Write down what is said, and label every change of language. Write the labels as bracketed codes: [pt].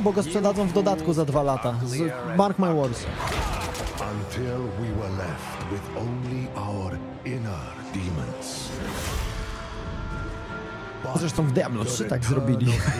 [pl] Bo go sprzedadzą w dodatku za 2 lata. [en] Mark my words. Until we were left with only our inner demons. [pl] Zresztą w Diablo 3 tak zrobili.